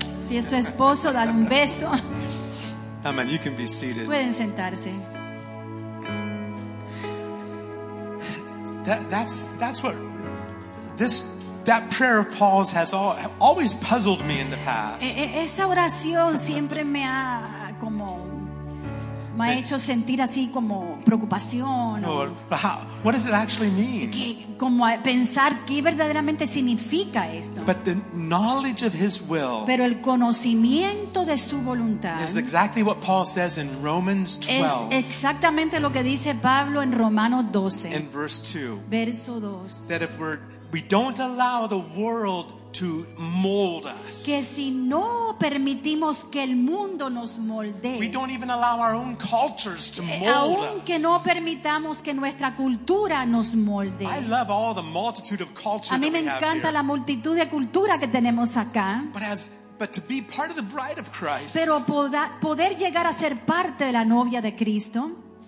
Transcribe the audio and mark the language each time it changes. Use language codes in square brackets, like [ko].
[es] Si es tu esposo, dale un beso. [en] Amen. You can be seated. [es] Pueden sentarse. [en] That's what that prayer of Paul's has always puzzled me in the past. [es] Esa oración siempre me ha hecho sentir así como preocupación. [en] What does it actually mean? [es] Como pensar qué verdaderamente significa esto. [en] But the knowledge of his will. [es] Pero el conocimiento de su voluntad. [en] Is exactly what Paul says in Romans 12. [es] Es exactamente lo que dice Pablo en Romanos 12. [en] In verse 2. [es] Verso 2. [en] That if we don't allow the world to mold us. [es] Que si no permitimos que el mundo nos moldee. [en] We don't even allow our own cultures to mold us. [es] Aunque no permitamos que nuestra cultura nos moldee. [en] I love all the multitude of cultures. [es] A mí me encanta la multitud de cultura que tenemos acá. [en] But to be part of the bride of Christ. [es] Pero poder llegar a ser parte de la novia de Cristo.